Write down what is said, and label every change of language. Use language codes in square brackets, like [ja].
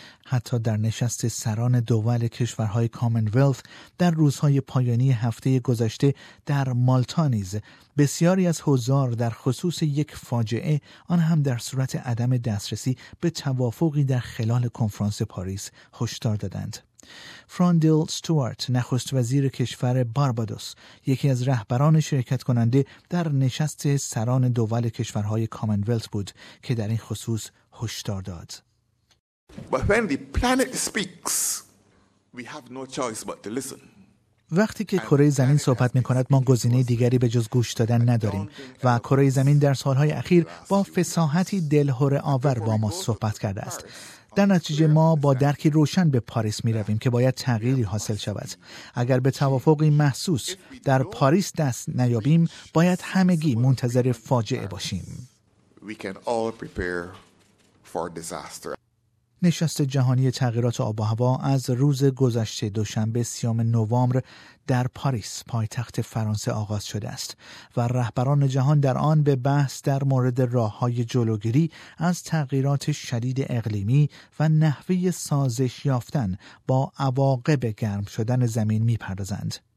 [fa] حتی در نشست سران دول کشورهای کامنولث در روزهای پایانی هفته گذشته در مالتا نیز، بسیاری از حضار در خصوص یک فاجعه، آن هم در صورت عدم دسترسی به توافقی در خلال کنفرانس پاریس، هشدار دادند. فراندل ستوارت، نخست وزیر کشور باربادوس، یکی از رهبران شرکت کننده در نشست سران دول کشورهای کامنولث بود که در این خصوص هشدار داد. [en] But when the planet speaks, we have no choice but to listen. [fa] وقتی که کره زمین صحبت می‌کند، ما گزینه دیگری به جز گوش دادن نداریم و کره زمین در سال‌های اخیر با فصاحتی دلهره‌آور با ما صحبت کرده است. در نتیجه ما با درکی روشن به پاریس می رویم که باید تغییری حاصل شود. اگر به توافقی محسوس در پاریس دست نیابیم، باید همگی منتظر فاجعه باشیم. [en] We can all prepare for disaster. [fa] نشست جهانی تغییرات آب و هوا از روز گذشته دوشنبه 30 نوامبر در پاریس، پایتخت فرانسه، آغاز شده است و رهبران جهان در آن به بحث در مورد راه‌های جلوگیری از تغییرات شدید اقلیمی و نحوه سازش یافتن با عواقب گرم شدن زمین می‌پردازند.